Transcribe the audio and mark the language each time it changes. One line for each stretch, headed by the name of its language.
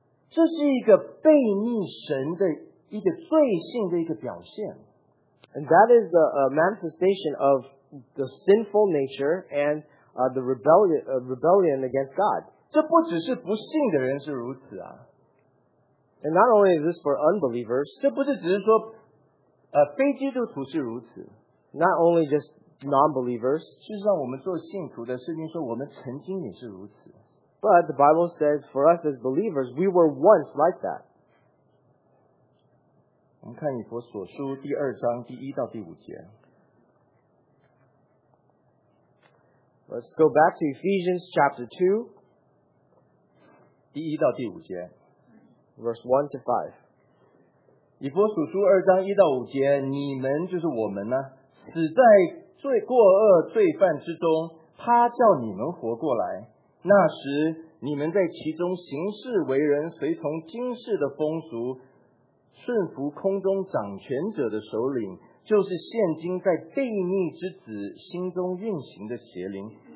Chinese: 这是一个悖逆神的一个罪性的一个表现。
English: And that is a manifestation of the sinful nature and the rebellion against God.
Chinese: 这不只是不信的人是如此啊。
English: And not only is this for unbelievers.
Chinese: 这不是只是说非基督徒是如此。
English: Not only just non-believers.
Chinese: 事实上我们做信徒的圣经说我们曾经也是如此。
English: But the Bible says for us as believers, we were once like that.
Chinese: 我们看以弗所书第二章第一到第五节。
English: Let's go back to Ephesians chapter 2.
Chinese: 第一到第五节。
English: Verse 1 to 5.
Chinese: 以弗所书二章一到五节，你们就是我们呢，死在罪过恶罪犯之中，他叫你们活过来。那时你们在其中行事为人，随从今世的风俗，顺服空中掌权者的首领，就是现今在悖逆之子心中运行的邪灵。